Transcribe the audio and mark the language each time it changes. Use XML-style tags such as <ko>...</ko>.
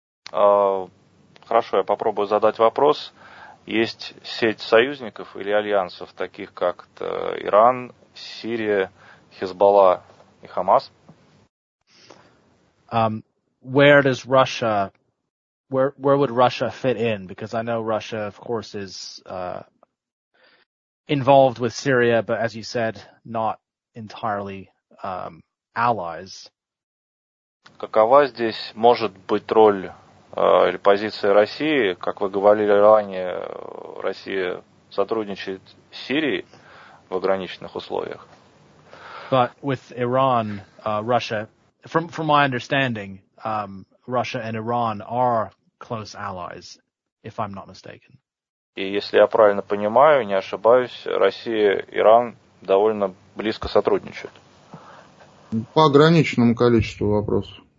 <ru>Хорошо, я попробую задать вопрос. Есть сеть союзников или альянсов, таких как Иран, Сирия, Хизбалла и Хамас?</ru> <en>Where does Russia, where would Russia fit in? Because I know Russia, of course, is involved with Syria, but as you said, not entirely allies.</en> <ru>Какова здесь может быть роль или позиция России, как вы говорили ранее, Россия сотрудничает с Сирией в ограниченных условиях.</ru> <en>But with Iran, Russia, from my understanding, Russia and Iran are close allies, if I'm not mistaken.</en> <ru>И если я правильно понимаю, не ошибаюсь, Россия и Иран довольно близко сотрудничают. По ограниченному количеству вопросов.</ru>